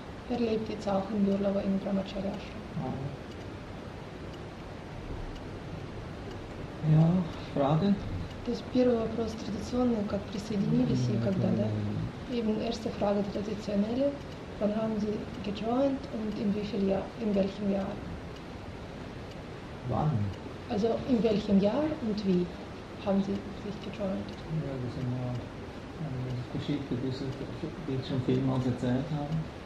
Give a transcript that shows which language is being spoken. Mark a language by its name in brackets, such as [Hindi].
[German] Er lebt jetzt auch in Durlava in Brahmacharya Ashram. Ja, Frage? [Russian] Das первый вопрос традиционный, как присоединились и когда, да? [German] Eben erste Frage traditionelle. Wann haben Sie gejoint und in wie viel Jahr, in welchem Jahr? Wann? Also in welchem Jahr und wie haben Sie sich gejoint? Ja, das ist eine Geschichte, die ich schon vielmals erzählt habe.